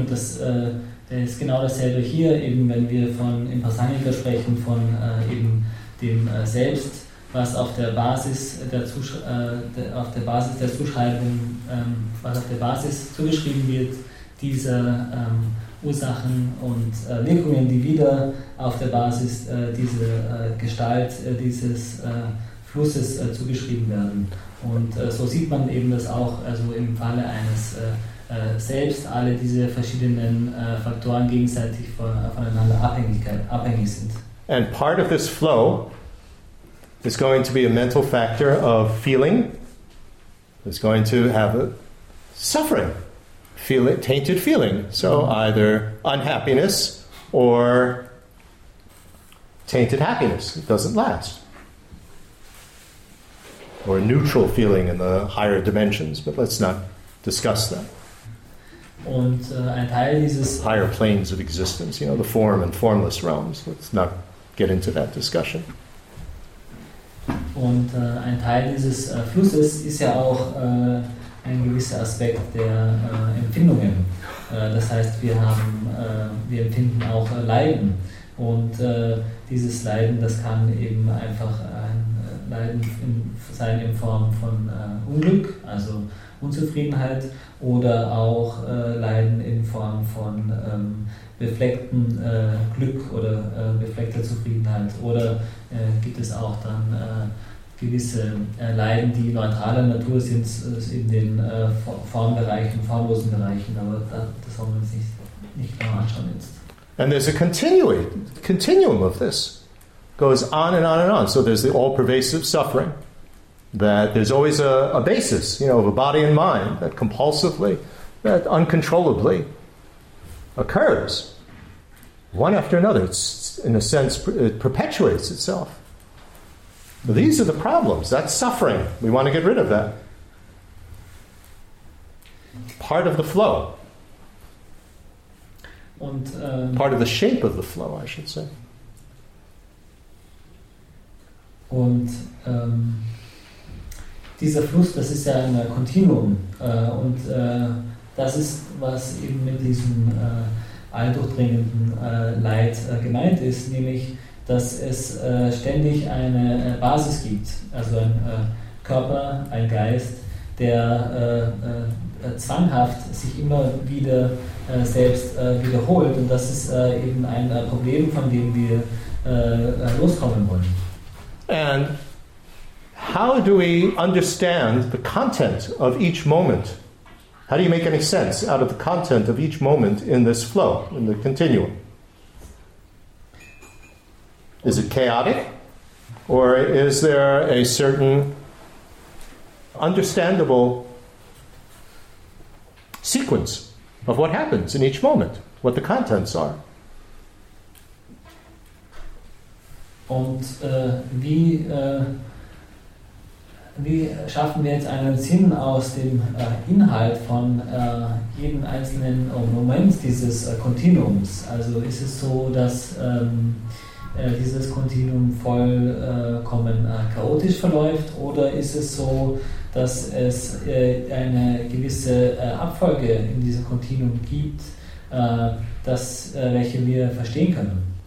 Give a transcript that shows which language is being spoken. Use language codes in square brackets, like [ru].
[de] Und das ist genau dasselbe hier, eben wenn wir von im Prasangika sprechen, von eben dem Selbst, was auf der Basis der Zuschreibung, was auf der Basis zugeschrieben wird, diese Ursachen und Wirkungen, die wieder auf der Basis dieser Gestalt dieses Flusses zugeschrieben werden. Und so sieht man eben das auch, also im Falle eines Selbst, alle diese verschiedenen Faktoren gegenseitig voneinander abhängig sind. [en] And part of this flow is going to be a mental factor of feeling. It's going to have a suffering, feel it, tainted feeling. So either unhappiness or tainted happiness. It doesn't last. Or a neutral feeling in the higher dimensions, but let's not discuss that. [de] Und ein Teil dieses [en] higher planes of existence, you know, the form and formless realms. Let's not get into that discussion. [de] Und ein Teil dieses Flusses ist ja auch ein gewisser Aspekt der Empfindungen. Das heißt, wir empfinden auch Leiden. Und dieses Leiden, das kann eben einfach ein Leiden sein in Form von Unglück, also Unzufriedenheit, oder auch Leiden in Form von befleckten Glück oder befleckter Zufriedenheit. Oder gibt es auch dann gewisse Leiden, die neutraler Natur sind, in den Formbereichen, formlosen Bereichen, aber das wollen wir uns nicht genau anschauen jetzt. [en] And there's a continuum of this. Goes on and on and on. So there's the all-pervasive suffering, that there's always a basis, you know, of a body and mind that compulsively, that uncontrollably occurs one after another. It's, in a sense, it perpetuates itself. But these are the problems. That's suffering. We want to get rid of that. Part of the flow. [de] Und, [en] part of the shape of the flow, I should say. [de] Und dieser Fluss, das ist ja ein Kontinuum. Und das ist, was eben mit diesem alldurchdringenden Leid gemeint ist, nämlich, dass es ständig eine Basis gibt, also ein Körper, ein Geist, der zwanghaft sich immer wieder selbst wiederholt. Und das ist eben ein Problem, von dem wir loskommen wollen. [en] And how do we understand the content of each moment? How do you make any sense out of the content of each moment in this flow, in the continuum? Is it chaotic? Or is there a certain understandable sequence of what happens in each moment, what the contents are? [de] Und wie schaffen wir jetzt einen Sinn aus dem Inhalt von jedem einzelnen Moment dieses Kontinuums? Also ist es so, dass dieses Kontinuum vollkommen chaotisch verläuft, oder ist es so, dass es eine gewisse Abfolge in diesem Kontinuum gibt, welche wir verstehen können?